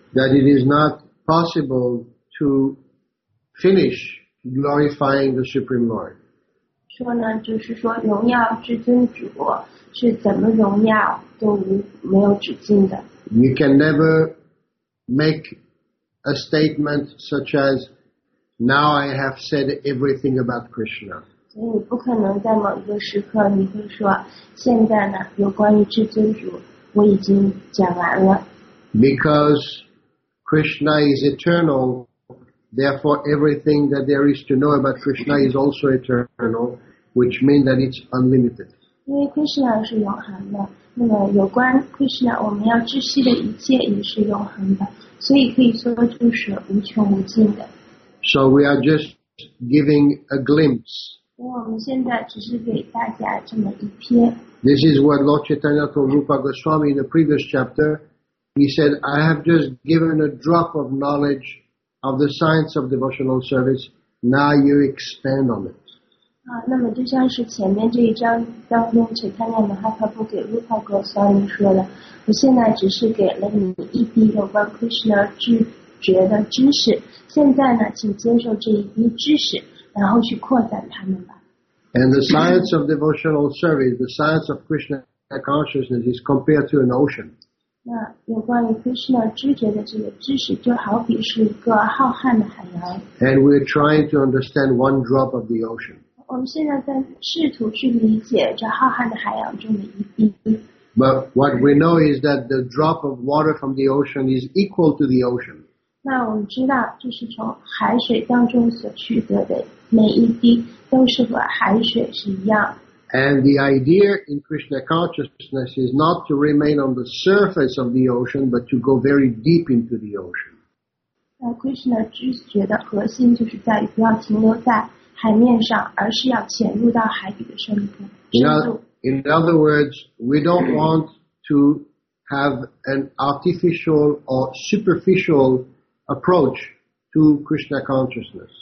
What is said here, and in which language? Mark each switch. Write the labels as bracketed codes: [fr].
[en] That it is not possible to finish glorifying the Supreme Lord. [zh] 说呢，就是说荣耀至尊主是怎么荣耀都没有止境的。 [en] You can never make a statement such as, "Now I have said everything about Krishna." [zh] 所以你不可能在某一个时刻你会说现在呢有关于至尊主我已经讲完了。 [en] Because Krishna is eternal, therefore everything that there is to know about Krishna is also eternal, which means that it's unlimited. [zh] 因为 Krishna 是永恒的，那么有关 Krishna 我们要知悉的一切也是永恒的，所以可以说就是无穷无尽的。 [en] So we are just giving a glimpse. [zh] 我们现在只是给大家这么一篇。 [en] This is what Lord Chaitanya told Rupa Goswami in the previous chapter. He said, I have just given a drop of knowledge of the science of devotional service. Now you expand on it. [zh] 那么就像是前面这一章当中 Chaitanya Mahaprabhu 给 Rupa Goswami 说的，我现在只是给了你一滴有关 Krishna 知觉的知识，现在呢，请接受这一滴知识。然后去扩展他们吧。 [en] And the science of devotional service, the science of Krishna consciousness is compared to an ocean. [zh] 那有关于 Krishna 知觉的这个知识就好比是一个浩瀚的海洋。 [en] And we're trying to understand one drop of the ocean. [zh] 我们现在在试图去理解这浩瀚的海洋中的一滴。 [en] But what we know is that the drop of water from the ocean is equal to the ocean. [zh] 那我们知道，就是从海水当中所取得的每一滴，都是和海水是一样。 [en] And the idea in Krishna consciousness is not to remain on the surface of the ocean, but to go very deep into the ocean. [zh] 那 Krishna 知觉的核心就是在于不要停留在海面上，而是要潜入到海底的深度。 [en] In other words, we don't want to have an artificial or superficial. Approach to Krishna consciousness.